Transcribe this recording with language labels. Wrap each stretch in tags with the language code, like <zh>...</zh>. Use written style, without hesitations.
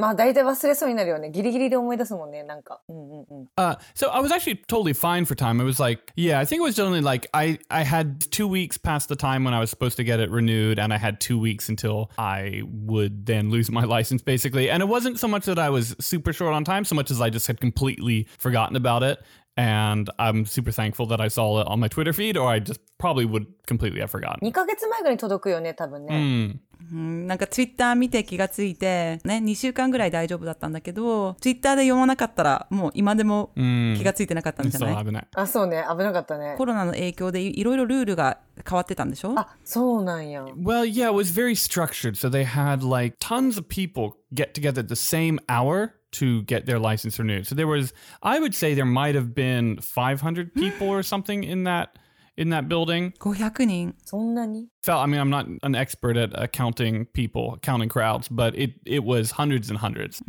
<ja>まあ大体忘れそうになるよね。ギリギリで思い出すもんね、なんか。</ja> <en>So I was actually totally fine for time. It was like, yeah, I think it was generally like I had 2 weeks past the time when I was supposed to get it renewed, and I had 2 weeks until I would then lose my license, basically. And it wasn't so much that I was super short on time, so much as I just had completely forgotten about it. And I'm super thankful that I saw it on my Twitter feed, or I just probably would completely have forgotten.</en> <ja>2ヶ月前ぐらいに届くよね、多分ね。 Mm. なんか Twitter 見て気がついて、ね、2週間ぐらい大丈夫だったんだけど、Twitter で読まなかったら、もう今でも気がついてなかったんじゃない？そう、危ない。あ、そうね、危なかったね。コロナの影響でいろいろルールが変わってたんでしょ？あ、そうなんや。</ja> <en>Well, yeah, it was very structured. So they had like tons of people get together at the same hour. To get their license renewed. So there was, I would say there might have been 500 people or something in that building.</en> <ja>500人? そんなに?</ja> <en>So, I mean, I'm not an expert at counting people, counting crowds, but it was hundreds and hundreds.</en>